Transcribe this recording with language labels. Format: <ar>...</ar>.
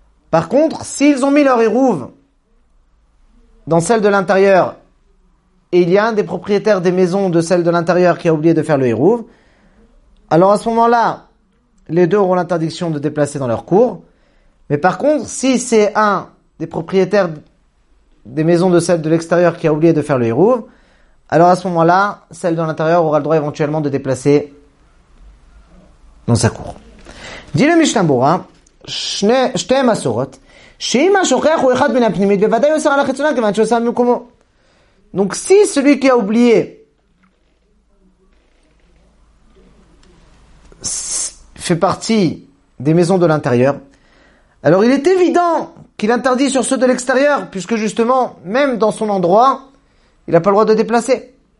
<fr>Par contre, s'ils ont mis leur eruv dans celle de l'intérieur et il y a un des propriétaires des maisons de celle de l'intérieur qui a oublié de faire le eruv, alors à ce moment-là, les deux auront l'interdiction de déplacer dans leur cour. Mais par contre, si c'est un des propriétaires des maisons de celle de l'extérieur qui a oublié de faire le hérouv, alors à ce moment-là, celle de l'intérieur aura le droit éventuellement de déplacer dans sa cour. Dit le Mishnah Boura,</fr> <he>שתי מסורות, שאם השוכח הוא אחד מן הפנימית, בוודאי הוא אוסר על החיצונה, כיוון שהוא שם במקומו.</he> <fr>Donc si celui qui a oublié fait partie des maisons de l'intérieur, alors il est évident qu'il interdit sur ceux de l'extérieur, puisque justement, même dans son endroit, il n'a pas le droit de déplacer.</fr>